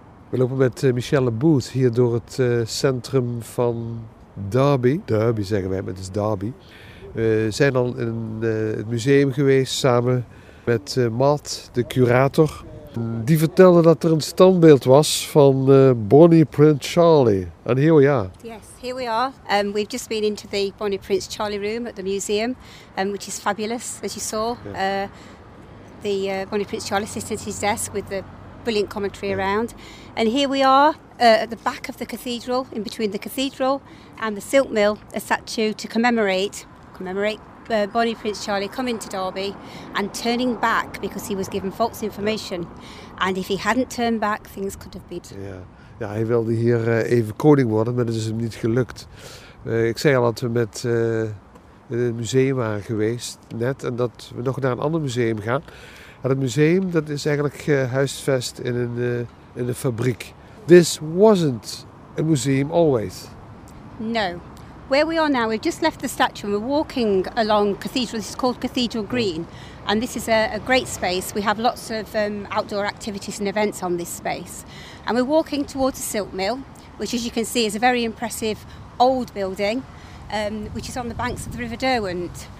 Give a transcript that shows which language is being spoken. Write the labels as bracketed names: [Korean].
[Dutch] We lopen met Michelle Booth hier door het centrum van Derby. Derby zeggen wij, maar het is Derby. We zijn al in het museum geweest samen met Matt, de curator. Die vertelde dat er een standbeeld was van Bonnie Prince Charlie. [English] And here we are. Yes, here we are. We've just been into the Bonnie Prince Charlie room at the museum, which is fabulous, as you saw. Yeah. The Bonnie Prince Charlie sits at his desk with the brilliant commentary around. And here we are at the back of the cathedral, in between the cathedral and the silk mill, a statue to commemorate Bonnie Prince Charlie coming to Derby and turning back because he was given false information. And if he hadn't turned back, things could have been. [Dutch] Ja, hij wilde hier even koning worden, maar dat is hem niet gelukt. Ik zei al dat we met in het museum waren geweest net en dat we nog naar een ander museum gaan. En het museum dat is eigenlijk huisvest in een fabriek. [English] This wasn't a museum always. No. Where we are now, we've just left the statue and we're walking along Cathedral. This is called Cathedral Green. And this is a great space. We have lots of outdoor activities and events on this space. And we're walking towards the silk mill, which, as you can see, is a very impressive old building, which is on the banks of the River Derwent.